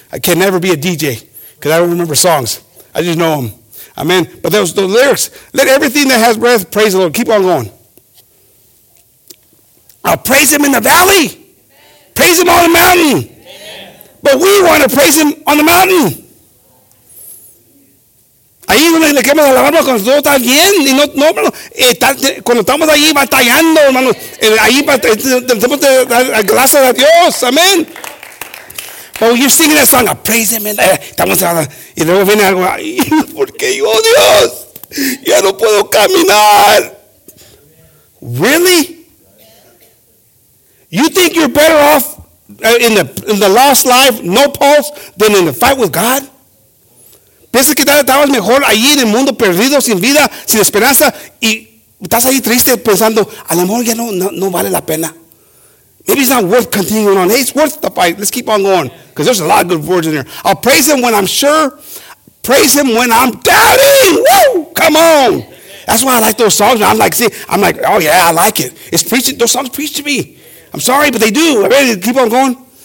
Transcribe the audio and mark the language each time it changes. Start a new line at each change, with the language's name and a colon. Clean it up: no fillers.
English: I can never be a DJ because I don't remember songs. I just know them. Amen. But those the lyrics. Let everything that has breath praise the Lord. Keep on going. I'll praise him in the valley. Amen. Praise him on the mountain. Amen. But we want to praise him on the mountain.
Spanish: Ahí donde le quema la alabanza cuando todo está bien. Y no, hermano. Cuando estamos ahí batallando, hermano. Ahí tenemos la gracia de Dios. Amen.
English: But when you're singing that song, I praise him.
Spanish: And estamos hablando. Y luego viene algo. Porque yo, Dios, ya no puedo caminar.
English: Really? You think you're better off in the last life, no pulse, than in the fight with God?
Spanish: Piensa que estabas mejor allí en el mundo perdido, sin vida, sin esperanza. Y estás ahí triste pensando, a lo mejor ya no vale la pena.
English: Maybe it's not worth continuing on. Hey, it's worth the fight. Let's keep on going. Because there's a lot of good words in here. I'll praise him when I'm sure. Praise him when I'm doubting. Woo! Come on. That's why I like those songs. I'm like, see, I'm like, oh yeah, I like it. It's preaching. Those songs preach to me. I'm sorry, but they do. I'm ready to keep on going.